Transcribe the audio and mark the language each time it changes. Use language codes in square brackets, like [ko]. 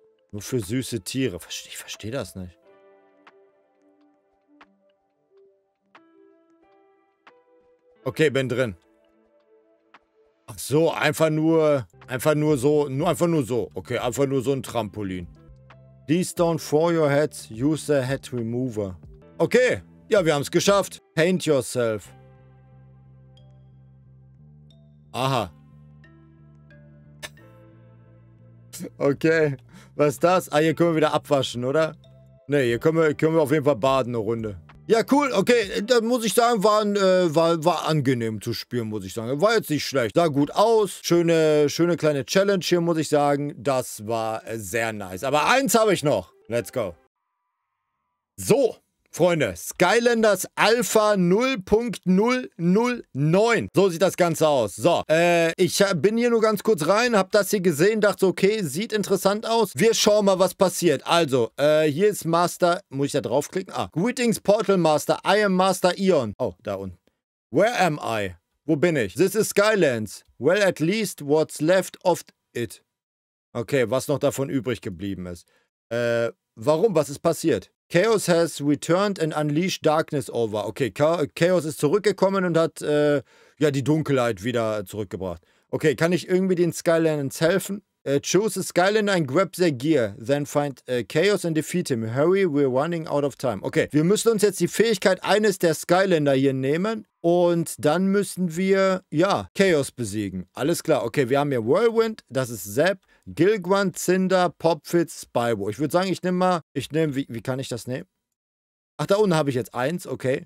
[de] Nur für süße Tiere. Ich verstehe das nicht. Okay, bin drin. Ach so, einfach nur so. Okay, einfach nur so ein Trampolin. [en] These don't for your heads, use the head remover. [de] Okay, ja, wir haben es geschafft. [en] Paint yourself. [de] Aha. Okay, was ist das? Ah, hier können wir wieder abwaschen, oder? Nee, hier können wir auf jeden Fall baden, eine Runde. Ja, cool. Okay, dann muss ich sagen, war angenehm zu spielen, muss ich sagen. War jetzt nicht schlecht. Sah gut aus. Schöne kleine Challenge hier, muss ich sagen. Das war sehr nice. Aber eins habe ich noch. [en] Let's go. [de] So, Freunde. Skylanders Alpha 0.009. So sieht das Ganze aus. So, ich bin hier nur ganz kurz rein, habe das hier gesehen, dachte, okay, sieht interessant aus. Wir schauen mal, was passiert. Also, hier ist Master... Muss ich da draufklicken? [en] Ah, Greetings Portal Master. I am Master Eon. [de] Oh, da unten. [en] Where am I? [de] Wo bin ich? [en] This is Skylands. Well, at least what's left of it. [de] Okay, was noch davon übrig geblieben ist. Warum? Was ist passiert? [en] Chaos has returned and unleashed darkness over. [de] Okay, Chaos ist zurückgekommen und hat ja, die Dunkelheit wieder zurückgebracht. Okay, kann ich irgendwie den Skylanders helfen? [en] Choose a Skylander and grab their gear. Then find Chaos and defeat him. Hurry, we're running out of time. [de] Okay, wir müssen uns jetzt die Fähigkeit eines der Skylander hier nehmen. Und dann müssen wir, ja, Chaos besiegen. Alles klar. Okay, wir haben hier Whirlwind. Das ist Zap. Gilgrunt, Cinder, Popfitz, Spybo. Ich würde sagen, wie kann ich das nehmen? Ach, da unten habe ich jetzt eins, okay.